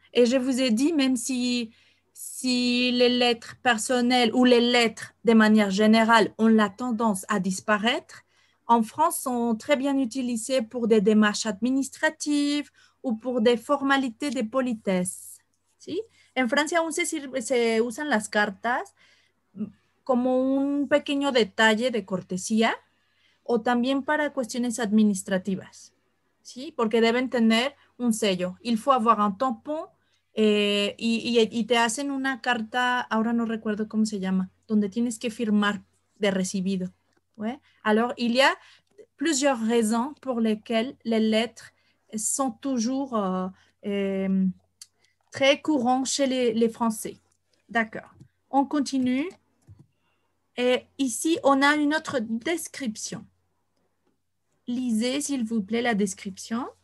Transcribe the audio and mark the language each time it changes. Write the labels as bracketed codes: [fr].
[fr] Et je vous ai dit, même si les lettres personnelles ou les lettres, de manière générale, ont la tendance à disparaître, en France, sont très bien utilisées pour des démarches administratives ou pour des formalités de politesse. [es] ¿Sí? En Francia aún se usan las cartas como un pequeño detalle de cortesía o también para cuestiones administrativas, ¿sí? Porque deben tener un sello. [fr] Il faut avoir un tampon [es] y te hacen una carta, ahora no recuerdo cómo se llama, donde tienes que firmar de recibido. [fr] ¿Ouais? Alors, il y a plusieurs raisons pour lesquelles les lettres sont toujours très courant chez les Français. D'accord. On continue. Et ici, on a une autre description. Lisez, s'il vous plaît, la description.